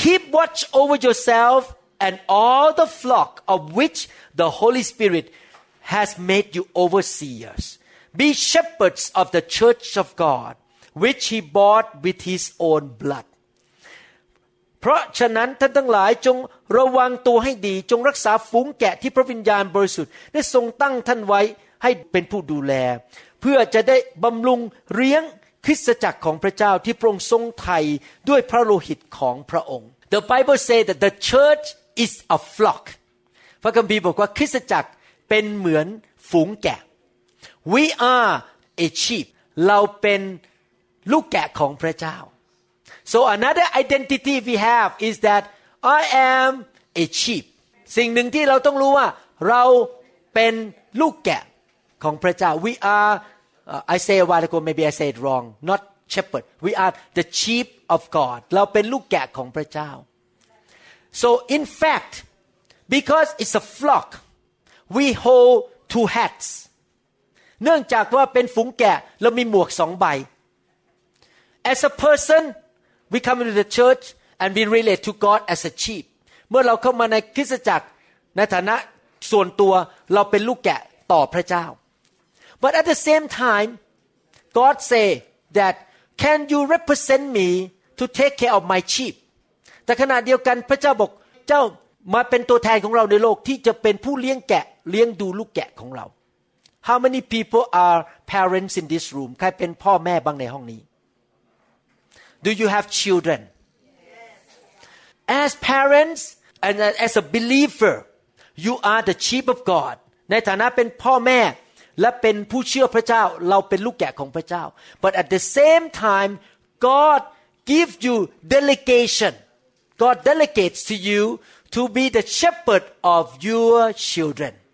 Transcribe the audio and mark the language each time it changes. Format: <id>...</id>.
<en>keep watch over yourself and all the flock of which the Holy Spirit has made you overseers. Be shepherds of the church of God, which he bought with his own blood.</en> <th>เพราะฉะนั้นท่านทั้งหลายจงระวังตัวให้ดีจงรักษาฝูงแกะที่พระวิญญาณบริสุทธิ์ได้ทรงตั้งท่านไว้ให้เป็นผู้ดูแลเพื่อจะได้บำรุงเลี้ยงคริสตจักรของพระเจ้าที่พระองค์ทรงไถ่ด้วยพระโลหิตของพระองค์</th> <en>The Bible say that the church is a flock.</en> <th>พระคัมภีร์บอกว่าคริสตจักรเป็นเหมือนฝูงแกะ</th> <en>We are a sheep.</en> <th>เราเป็นลูกแกะของพระเจ้า</th> <en>So another identity we have is that I am a sheep.</en> <th>สิ่งหนึ่งที่เราต้องรู้ว่าเราเป็นลูกแกะของพระเจ้า</th> <en>We are, I say a while ago, maybe I say it wrong, not shepherd. We are the sheep of God.</en> <th>เราเป็นลูกแกะของพระเจ้า</th> <en>So in fact, because it's a flock, we hold two hats.</en> <th>เนื่องจากว่าเป็นฝูงแกะเรามีหมวกสองใบ</th> <en>As a person, we come into the church and we relate to God as a sheep.</en> <th>เมื่อเราเข้ามาในคริสตจักรในฐานะส่วนตัวเราเป็นลูกแกะต่อพระเจ้า</th> <en>But at the same time, God say that can you represent me to take care of my sheep?</en> <th>แต่ขณะเดียวกันพระเจ้าบอกเจ้ามาเป็นตัวแทนของเราในโลกที่จะเป็นผู้เลี้ยงแกะเลี้ยงดูลูกแกะของเรา</th> <en>How many people are parents in this room?</en> <th>ใครเป็นพ่อแม่บ้างในห้องนี้</th> <en>Do you have children? As parents and as a believer, you are the sheep of God.</en> <th>ในฐานะเป็นพ่อแม่และเป็นผู้เชื่อพระเจ้าเราเป็นลูกแกะของพระเจ้า</th> <en>but at the same time God give you delegation God delegates to you to be the shepherd of your children</en>